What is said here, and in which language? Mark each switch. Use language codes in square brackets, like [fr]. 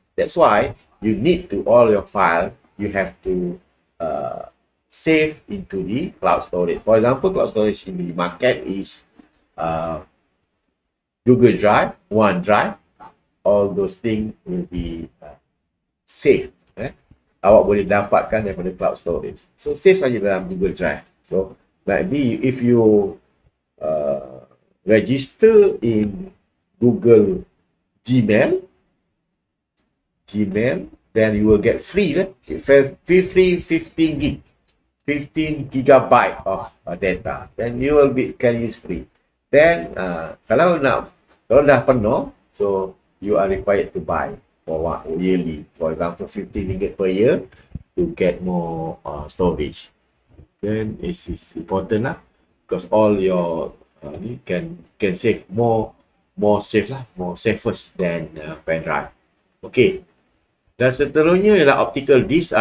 [en] That's why you need to all your file, you have to save into the cloud storage. For example, cloud storage in the market is Google Drive, OneDrive, all those things will be safe. [ms] Awak boleh dapatkan daripada cloud storage. So, save saja dalam Google Drive. [en] So, maybe if you register in Google Gmail, then you will get free, free 15 gigabyte of data. Then you will be can use free. Then kalau dah penuh, so you are required to buy for what yearly. For example, RM15 per year to get more storage. Then it is important lah, because all your can save more safest than pen drive. Okay. [ms] Dan seterusnya ialah optical disk.